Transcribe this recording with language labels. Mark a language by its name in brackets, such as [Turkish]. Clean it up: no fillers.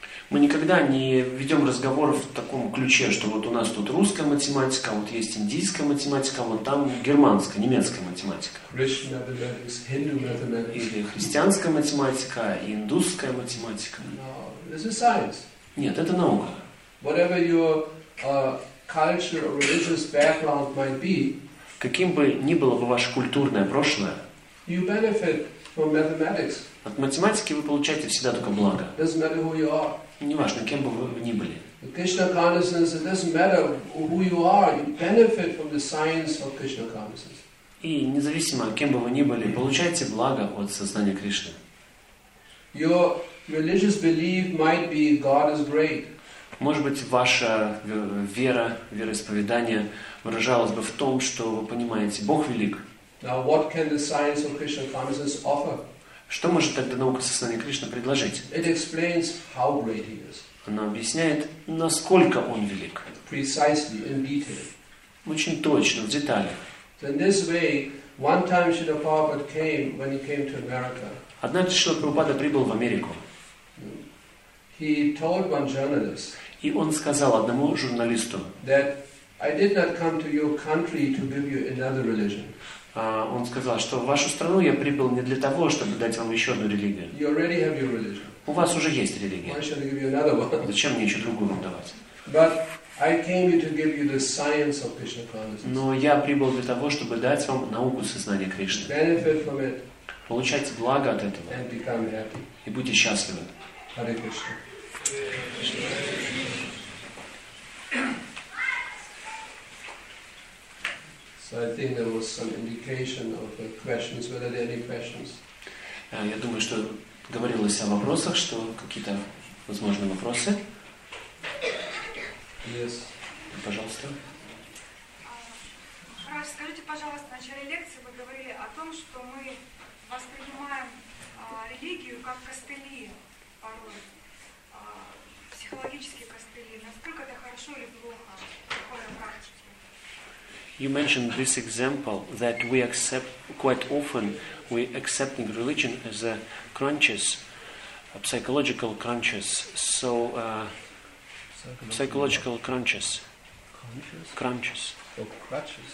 [Russian] Мы никогда не ведем разговор в таком ключе, что вот у нас тут русская математика, вот есть индийская математика, вот там германская, немецкая математика. [English] Christian mathematics, Hindu mathematics. [Russian] Или христианская математика, индусская математика. [English] No, this is science. [Russian] Нет, это наука. [English] Whatever your culture or religious background might be, [Russian] каким бы ни было бы ваше культурное прошлое, [English] you benefit from mathematics. [Russian] От математики вы получаете всегда только благо. [English] It doesn't matter who you are. [Russian] Неважно, кем бы вы ни были. [English] Krishna consciousness, it doesn't matter who you are, you benefit from the science of Krishna consciousness. [Russian] И независимо, кем бы вы ни были, получайте благо от сознания Кришны. [English] Your religious belief might be God is great. [Russian] Может быть, ваша вера, вероисповедание выражалось бы в том, что вы понимаете, Бог велик. [English] Now, what can the science of Krishna consciousness offer? [Russian] Что может тогда наука сознания Кришны предложить? [English] It explains how great he is. [Russian] Она объясняет, насколько он велик. [English] Precisely, in detail. [Russian] Очень точно, в деталях. [English] So in this way, one time Srila Prabhupada came when he came to America. [Russian] Однажды Шрила Прабхупада прибыл в Америку. [English] He told one journalist. [Russian] И он сказал одному журналисту. [English] That I did not come to your country to give you another religion. [Russian] Он сказал, что в вашу страну я прибыл не для того, чтобы дать вам еще одну религию. [English] You already have your religion. [Russian] У вас уже есть религия. [English] Why should I give you another one? [Russian] Зачем мне еще другую вам давать? [English] But I came here to give you the science of Krishna consciousness. [Russian] Но я прибыл для того, чтобы дать вам науку сознания Кришны. [English] Benefit from it. [Russian] Получать благо от этого. [English] And become happy. [Russian] И будьте счастливы. [English] Hare Krishna. So I think there was some indication of the questions. Were there any questions? [Russian] Я думаю, что говорилось о вопросах, что какие-то возможные вопросы. [English] Yes. [Russian] Пожалуйста. Скажите, пожалуйста, в начале лекции вы говорили о том, что мы воспринимаем религию как костыли, порой, психологические костыли. Насколько это хорошо или плохо в такой практике? [English] You mentioned this example that we accept quite often, we accepting religion as a crunches, a psychological crunches. So, psychological crunches. Crunches? Crunches. Or crutches?